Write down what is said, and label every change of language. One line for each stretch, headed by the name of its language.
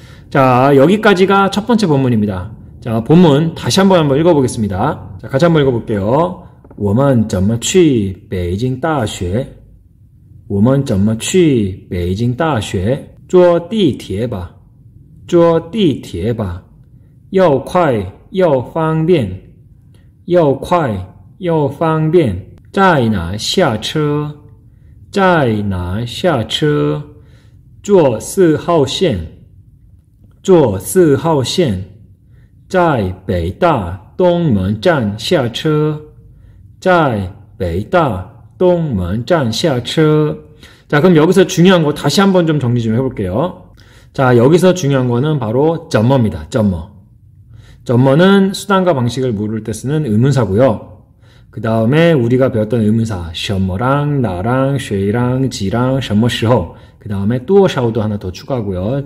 Korean: 자, 여기까지가 첫 번째 본문입니다. 자, 본문 다시 한번 읽어보겠습니다. 자, 같이 한번 읽어볼게요.
Chinese: 我们怎么去北京大学？坐地铁吧，坐地铁吧，又快又方便，又快又方便。在哪下车？在哪下车？坐四号线，坐四号线。在北大东门站下车，在北大东门站下车。
Korean: 자, 그럼 여기서 중요한 거 다시 한번 좀 정리 좀 해볼게요. 자, 여기서 중요한 거는 바로 점머입니다. 점머. 점머는 수단과 방식을 물을 때 쓰는 의문사고요. 그 다음에 우리가 배웠던 의문사, 什么랑 나랑 谁랑 지랑 什么时候, 그 다음에 多少도 하나 더 추가하고요.